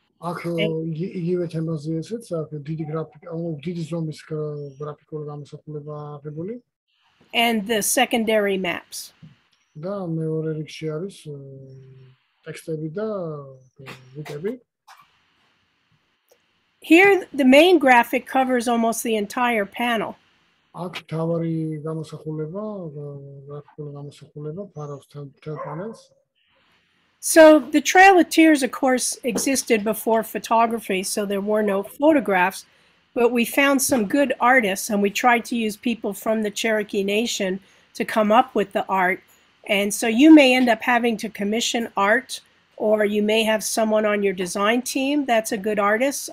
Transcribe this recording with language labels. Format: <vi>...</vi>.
<ka>აქ იგივე თემაზე ესეც აქ დიდი გრაფიკა, დიდი ზომის გრაფიკული გამოსახულება აღებული.</ka> <en>And the secondary maps.</en> <ru>Да,</ru> <ka>მეორე რიგში არის ტექსტები და ვიდეები.</ka> <en>Here the main graphic covers almost the entire panel.</en> <ka>აქ თავარი გამოსახულება, გრაფიკული გამოსახულება ფარავს მთელ პანელს.</ka> <en>So the Trail of Tears of course existed before photography, so there were no photographs, but we found some good artists and we tried to use people from the Cherokee Nation to come up with the art. And so you may end up having to commission art, or you may have someone on your design team that's a good artist.</en>